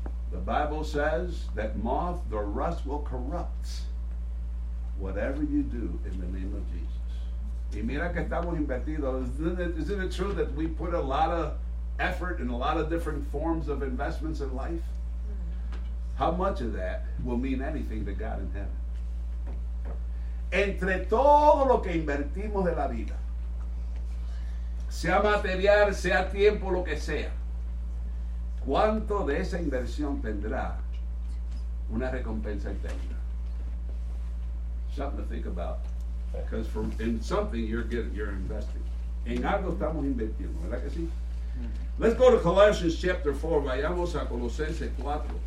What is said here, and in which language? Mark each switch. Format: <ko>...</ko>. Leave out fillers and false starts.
<en>The Bible says that moth, the rust will corrupt whatever you do in the name of Jesus.</en> <es>Y mira que estamos invertidos.</es> <en>Isn't it true that we put a lot of effort in a lot of different forms of investments in life? How much of that will mean anything to God in heaven?</en> <es>Entre todo lo que invertimos de la vida, sea material, sea tiempo, lo que sea, ¿cuánto de esa inversión tendrá una recompensa eterna.</es> <en>Something to think about. Because for in something you're getting, you're investing.</en> <es>En algo estamos invirtiendo, ¿verdad que sí?</es> <en>Let's go to Colossians chapter 4.</en> <es>Vayamos a Colosenses 4.</es>